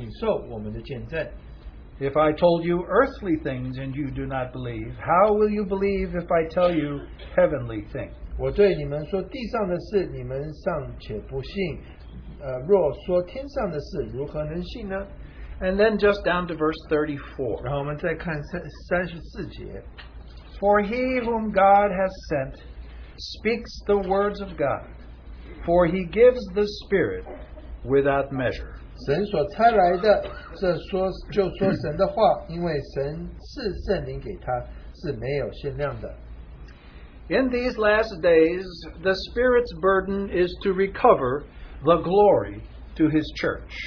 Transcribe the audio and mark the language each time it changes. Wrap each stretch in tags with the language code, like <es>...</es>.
<zh>我实实在在地告诉你，我们所说的是我们知道的，我们所见证的是我们见过的，你们却不领受我们的见证。</zh> <en>If I told you earthly things and you do not believe, how will you believe if I tell you heavenly things?</en> <zh>我对你们说地上的事，你们尚且不信，若说天上的事，如何能信呢？</zh> <en>And then just down to verse 34. For he whom God has sent speaks the words of God, for he gives the Spirit without measure.</en> <zh>神所差来的, 这说, 就说神的话, 因为神赐圣灵给他,</zh> <en>In these last days, the Spirit's burden is to recover the glory to His church.</en>